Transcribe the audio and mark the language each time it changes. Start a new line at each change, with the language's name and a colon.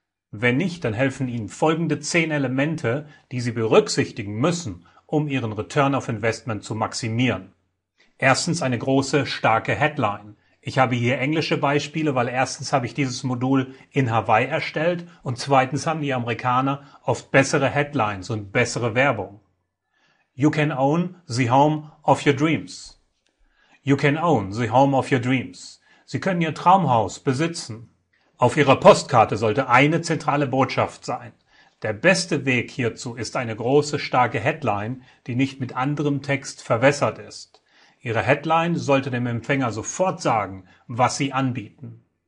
German: Wenn nicht, dann helfen Ihnen folgende 10 Elemente, die Sie berücksichtigen müssen, um Ihren Return of Investment zu maximieren. Erstens eine große, starke Headline. Ich habe hier englische Beispiele, weil erstens habe ich dieses Modul in Hawaii erstellt und zweitens haben die Amerikaner oft bessere Headlines und bessere Werbung.
English: You can own the home of your dreams. You can own the home of your dreams.
German: Sie können Ihr Traumhaus besitzen. Auf Ihrer Postkarte sollte eine zentrale Botschaft sein. Der beste Weg hierzu ist eine große, starke Headline, die nicht mit anderem Text verwässert ist. Ihre Headline sollte dem Empfänger sofort sagen, was Sie anbieten.